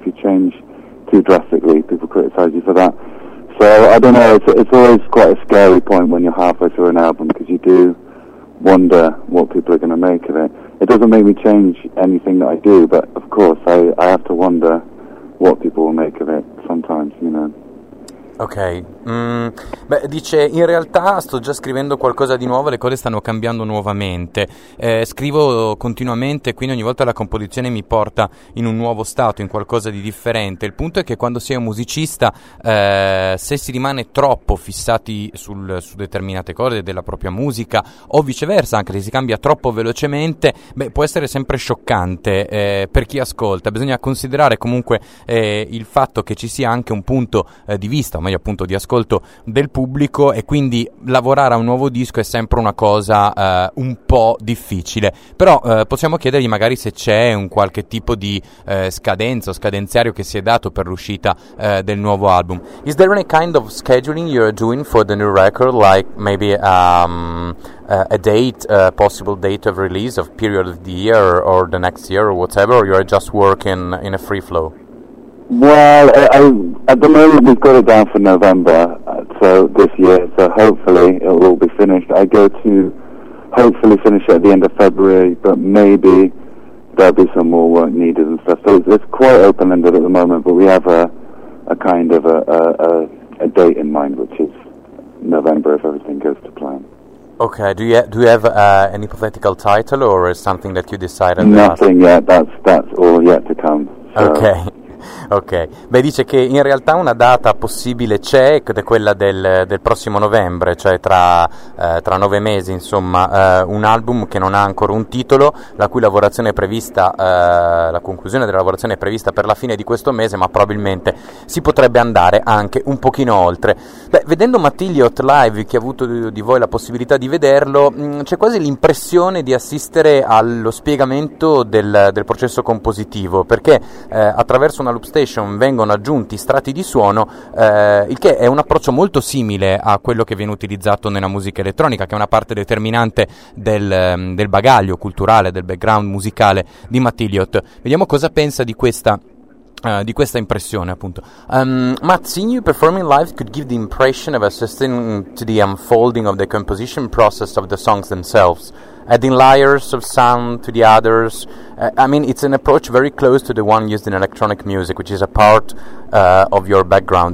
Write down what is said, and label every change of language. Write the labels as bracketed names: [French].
[English] And if you change too drastically, people criticize you for that. So, I don't know, it's always quite a scary point when you're halfway through an album, because you do wonder what people are going to make of it. It doesn't make me change anything that I do, but of course, I have to wonder what people will make of it sometimes, you know. [Italian] Ok, beh, dice, in realtà sto già scrivendo qualcosa di nuovo, le cose stanno cambiando nuovamente, scrivo continuamente, quindi ogni volta la composizione mi porta in un nuovo stato, in qualcosa di differente. Il punto è che quando sei un musicista, se si rimane troppo fissati su determinate cose della propria musica, o viceversa, anche se si cambia troppo velocemente, beh, può essere sempre scioccante per chi ascolta. Bisogna considerare comunque il fatto che ci sia anche un punto di vista, ma io appunto di ascolto del pubblico, e quindi lavorare a un nuovo disco è sempre una cosa un po' difficile. Però possiamo chiedergli magari se c'è un qualche tipo di scadenza o scadenziario che si è dato per l'uscita del nuovo album. [English] Is there any kind of scheduling you're doing for the new record, like maybe a date, a possible date of release of period of the year or the next year or whatever, or you're just working in a free flow? Well, I at the moment we've got it down for November, so this year, so hopefully it will all be finished. I go to hopefully finish it at the end of February, but maybe there'll be some more work needed and stuff. So it's quite open-ended at the moment, but we have a kind of a date in mind, which is November, if everything goes to plan. Okay, do you have an hypothetical title, or is something that you decided? Nothing yet, that's all yet to come. So. Okay. [Italian] Ok, beh, dice che in realtà una data possibile c'è, ed è quella del prossimo novembre, cioè tra 9 mesi, insomma, un album che non ha ancora un titolo, la cui lavorazione è prevista, la conclusione della lavorazione è prevista per la fine di questo mese, ma probabilmente si potrebbe andare anche un pochino oltre. Beh, vedendo Matiliot live, chi ha avuto di voi la possibilità di vederlo, c'è quasi l'impressione di assistere allo spiegamento del processo compositivo, perché attraverso una loop station vengono aggiunti strati di suono, il che è un approccio molto simile a quello che viene utilizzato nella musica elettronica, che è una parte determinante del bagaglio culturale, del background musicale di Matiliot. Vediamo cosa pensa di questa impressione, appunto. [English] Matt, seeing you performing live could give the impression of assisting to the unfolding of the composition process of the songs themselves, adding layers of sound to the others. I mean, it's an approach very close to the one used in electronic music, which is a part of your background.